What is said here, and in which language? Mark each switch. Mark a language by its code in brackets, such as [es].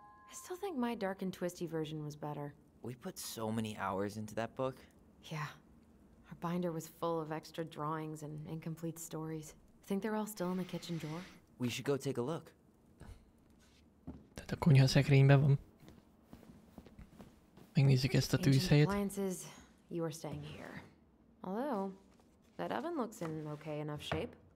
[en] I still think my dark and twisty version was better. We put so many hours into that book. Yeah. Our binder was full of extra drawings and incomplete stories. Think they're all still in the kitchen drawer? We should go take a look. [hu] Tehát a konyha szekrénybe van. Megnézzük ezt a tűzhelyet. [en] Appliances, you are staying here. Although, that oven looks in okay enough shape.